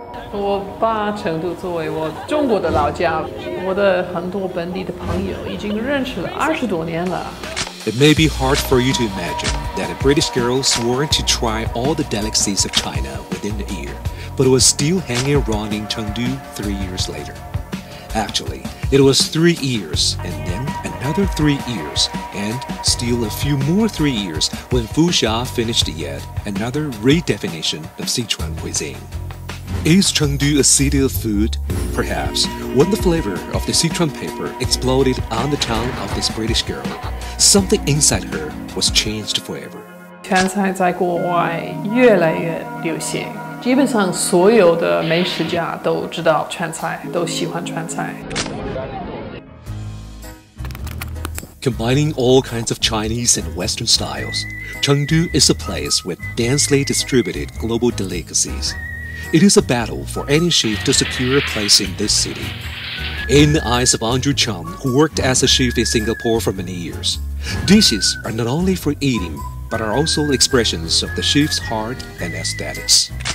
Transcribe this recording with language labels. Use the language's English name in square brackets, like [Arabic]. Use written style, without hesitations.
[Chinese] 我把成都作为我中国的老家，我的很多本地的朋友已经认识了二十多年了。 [English] It may be hard for you to imagine that a British girl swore to try all the delicacies of China within a year, but was still hanging around in Chengdu 3 years later. Actually, it was 3 years, and then another 3 years, and still a few more 3 years when Fu Xia finished yet another redefinition of Sichuan cuisine. Is Chengdu a city of food? Perhaps when the flavor of the Sichuan paper exploded on the tongue of this British girl, something inside her was changed forever. [Chinese] 川菜在国外越来越流行，基本上所有的美食家都知道川菜，都喜欢川菜。 [English] Combining all kinds of Chinese and Western styles, Chengdu is a place with densely distributed global delicacies. It is a battle for any chef to secure a place in this city. In the eyes of Andrew Chum, who worked as a chef in Singapore for many years, dishes are not only for eating, but are also expressions of the chef's heart and aesthetics.